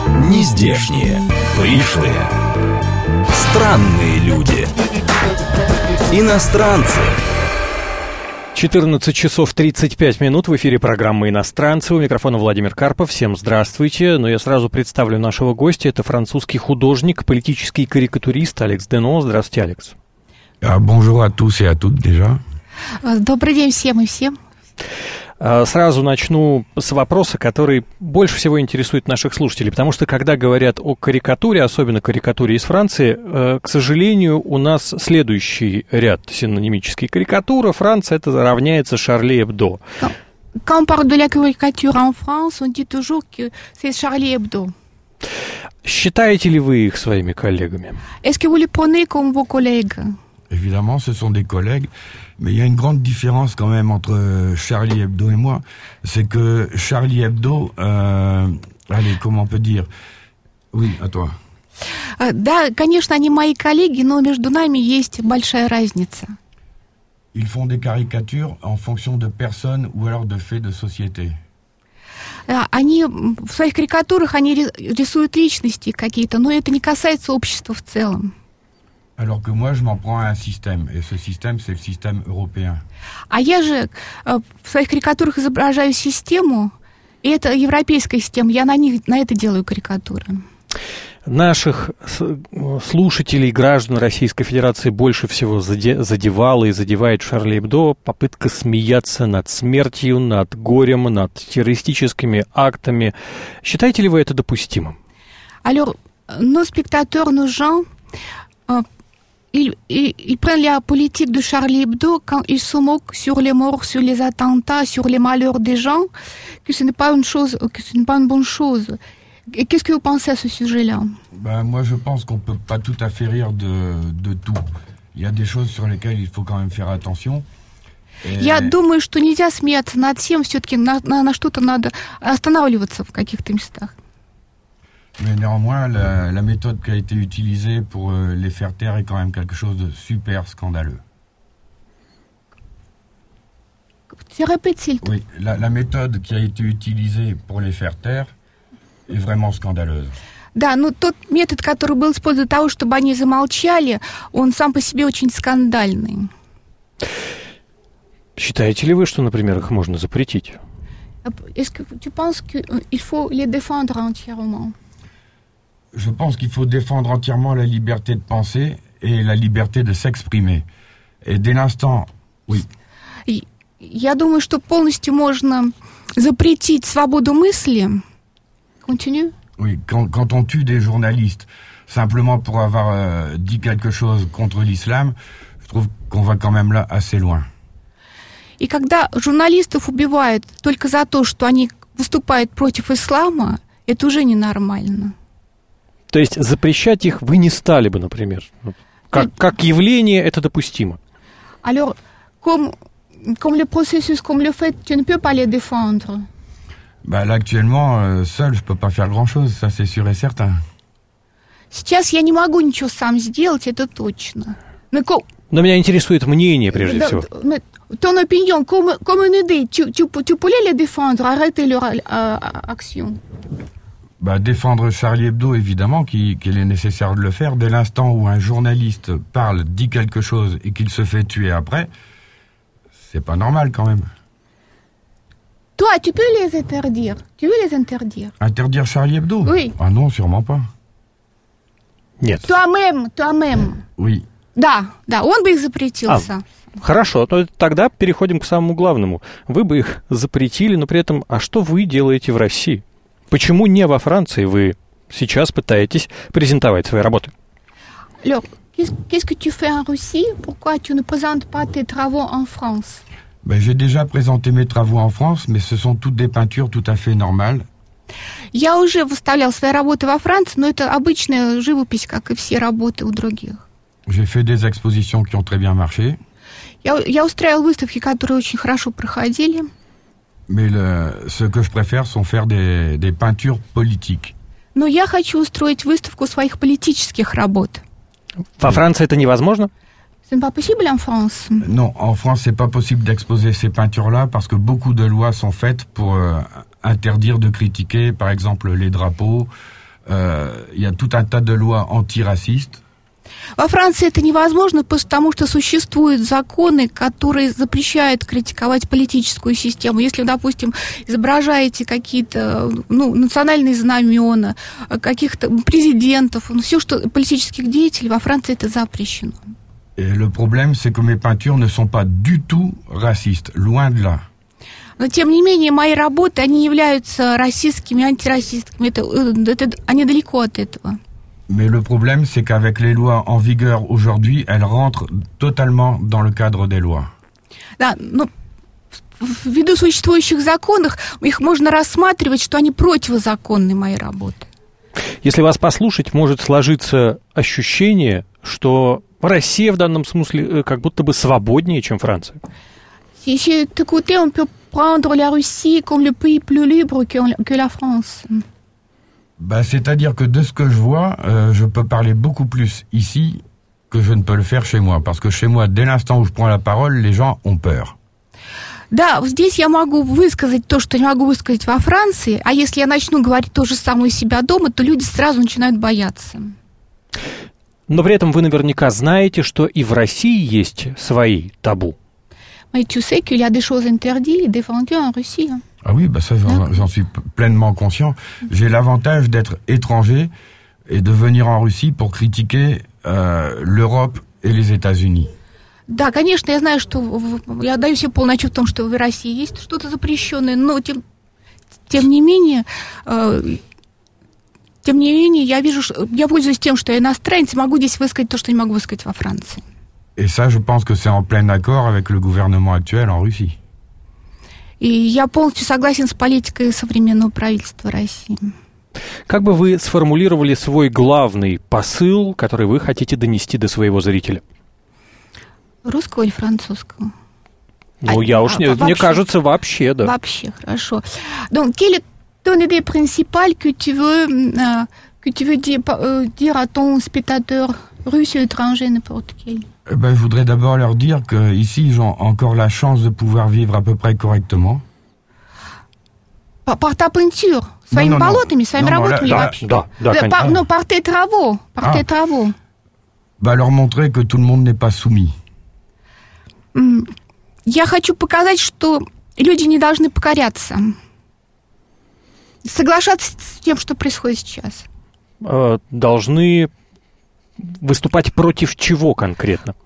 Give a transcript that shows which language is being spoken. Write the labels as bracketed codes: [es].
[ru] нездешние, пришлые, странные люди, иностранцы. 14 часов 35 минут в эфире программы «Иностранцы». У микрофона Владимир Карпов. Всем здравствуйте. Но я сразу представлю нашего гостя. Это французский художник, политический карикатурист Алекс Дено. Здравствуйте, Алекс. [fr] Bonjour à tous et à toutes déjà. [ru] Добрый день всем и всем. Сразу начну с вопроса, который больше всего интересует наших слушателей, потому что, когда говорят о карикатуре, особенно карикатуре из Франции, к сожалению, у нас следующий ряд синонимический. Карикатура, Франция, это равняется Шарли Эбдо. [fr] Quand on parle de la caricature en France, on dit toujours que c'est Charlie Hebdo. [ru] Считаете ли вы их своими коллегами? [fr] Est-ce que vous les prenez comme vos collègues? Évidemment, ce sont des collègues, mais il y a une grande différence quand même entre Charlie Hebdo et moi, c'est que Charlie Hebdo, allez, comment on peut dire, oui, à toi. [ru] Да, конечно, они мои коллеги, но между нами есть большая разница. [fr] Ils font des caricatures en fonction de personnes ou alors de faits de société. [ru] Они в своих карикатурах они рисуют личности какие-то, но это не касается общества в целом. [fr] Alors que moi, je m'en prends à un système, et ce système, c'est le système européen. [ru] А я же в своих карикатурах изображаю систему, и это европейская система. Я на них, на это делаю карикатуры. Наших слушателей, граждан Российской Федерации больше всего задевало и задевает Шарли Эбдо попытка смеяться над смертью, над горем, над террористическими актами. Считаете ли вы это допустимым? [fr] Alors, nos spectateurs, nos gens. Ils prennent la politique de Charlie Hebdo quand ils se moquent sur les morts, sur les attentats, sur les malheurs des gens, que ce n'est pas une chose, que ce n'est pas une bonne chose. Et qu'est-ce que vous pensez à ce sujet-là? Ben, moi, je pense qu'on ne peut pas tout à fait rire de tout. Il y a des choses sur lesquelles il faut quand même faire attention. [ru] Я думаю, что нельзя смеяться над всем, все-таки на что-то надо останавливаться в каких-то местах. [fr] Mais néanmoins, la méthode qui a été utilisée pour les faire taire est quand même quelque chose de super scandaleux. Tu répètes, s'il te plaît. Oui, la méthode qui a été utilisée pour les faire taire est vraiment scandaleuse. [ru] Да, ну тот метод, который был использован для того, чтобы они замолчали, он сам по себе очень скандальный. Считаете ли вы, что, например, их можно запретить? [fr] Est-ce que tu penses qu'il faut les défendre entièrement? Je pense qu'il faut défendre entièrement la liberté de penser et la liberté de s'exprimer. Et dès l'instant, oui. [ru] Я думаю, что полностью можно запретить свободу мысли. [fr] Continue. Oui, quand on tue des journalistes simplement pour avoir dit quelque chose contre l'islam, je trouve qu'on va quand même là assez loin. [ru] И когда журналистов убивают только за то, что они выступают против ислама, это уже ненормально. То есть запрещать их вы не стали бы, например. Как явление это допустимо. [fr] Alors, comme le processus, comme le fait, tu ne peux pas les défendre. Bah, là, actuellement, seul, je peux pas faire grand-chose, ça c'est sûr et certain. [ru] Сейчас я не могу ничего сам сделать, это точно. Но меня интересует мнение, прежде всего. [fr] Ton opinion, comme une idée, tu peux les défendre, arrêter leur action. Bah, défendre Charlie Hebdo, évidemment, qu'il est nécessaire de le faire. Dès l'instant où un journaliste parle, dit quelque chose et qu'il se fait tuer après, c'est pas normal quand même. Toi, tu peux les interdire? Tu veux les interdire? Interdire Charlie Hebdo? Oui. Ah non, sûrement pas. [ru] Нет. [fr] Toi-même. Oui. [ru] Да, он бы их запретил. Хорошо, то тогда переходим к самому главному. Вы бы их запретили, но при этом, а что вы делаете в России? Почему не во Франции вы сейчас пытаетесь презентовать свои работы? [fr] Лёк, qu'est-ce que tu fais en Russie? Pourquoi tu ne présentes pas tes travaux en France? Ben, j'ai déjà présenté mes travaux en France, mais ce sont toutes des peintures tout à fait normales. [ru] Я уже выставлял свои работы во Франции, но это обычная живопись, как и все работы у других. [fr] J'ai fait des expositions qui ont très bien marché. [ru] Я устраивал выставки, которые очень хорошо проходили. [fr] Mais ce que je préfère, c'est faire des peintures politiques. [ru] Но я хочу устроить выставку своих политических работ. Во Франции это невозможно? [fr] C'est pas possible en France. Non, en France, c'est pas possible d'exposer ces peintures-là parce que beaucoup de lois sont faites pour interdire de critiquer, par exemple, les drapeaux, Il y a tout un tas de lois antiracistes. [ru] Во Франции это невозможно, потому что существуют законы, которые запрещают критиковать политическую систему. Если, допустим, изображаете какие-то национальные знамена, каких-то президентов, все, что политических деятелей, во Франции это запрещено. [fr] Et le problème, c'est que mes peintures ne sont pas du tout racistes, loin de là. [ru] Но тем не менее, мои работы, они являются расистскими, антирасистскими. Это, они далеко от этого. [fr] Mais le problème, c'est qu'avec les lois en vigueur aujourd'hui, elles rentrent totalement dans le cadre des lois. [ru] Да, но ввиду существующих законов, их можно рассматривать, что они противозаконны, мои работы. Если вас послушать, может сложиться ощущение, что Россия в данном смысле как будто бы свободнее, чем Франция. [fr] Если ты кутэ, он пё прендро ля Руси, ком ле пэй плю либру, кё ля Франс. Bah, c'est-à-dire que de ce que je vois, je peux parler beaucoup plus ici que je ne peux le faire chez moi. Parce que chez moi, dès l'instant où je prends la parole, les gens ont peur. [ru] Да, здесь я могу высказать то, что не могу высказать во Франции, а если я начну говорить то же самое у себя дома, то люди сразу начинают бояться. Но при этом вы наверняка знаете, что и в России есть свои табу. [fr] Mais tu sais qu'il y a des choses interdites défendues en Russie. Ah oui, bah ça, j'en suis pleinement conscient. J'ai l'avantage d'être étranger et de venir en Russie pour critiquer l'Europe et les États-Unis. [ru] Да, конечно, я знаю, что я даю себе полный отчет в том, что в России есть что-то запрещенное, но тем не менее, я вижу, что я пользуюсь тем, что я иностранец, могу здесь высказать то, что не могу высказать во Франции. [fr] Et ça, je pense que c'est en plein accord avec le gouvernement actuel en Russie. [ru] И я полностью согласен с политикой современного правительства России. Как бы вы сформулировали свой главный посыл, который вы хотите донести до своего зрителя? Русского или французского? Мне кажется, вообще, да. Вообще, хорошо. [fr] Donc, quelle est ton idée principale que tu veux dire à ton spectateur russe ou étranger, n'importe quel? Ben, je voudrais d'abord leur dire qu'ici, ils ont encore la chance de pouvoir vivre à peu près correctement. Par ta peinture, [ru] своими болотами, своими работами вообще. [fr] Non, par tes travaux. Par tes travaux. Ben, leur montrer que tout le monde n'est pas soumis. [ru] Я хочу показать, что люди не должны покоряться. Соглашаться с тем, что происходит сейчас. Должны... Выступать против чего конкретно?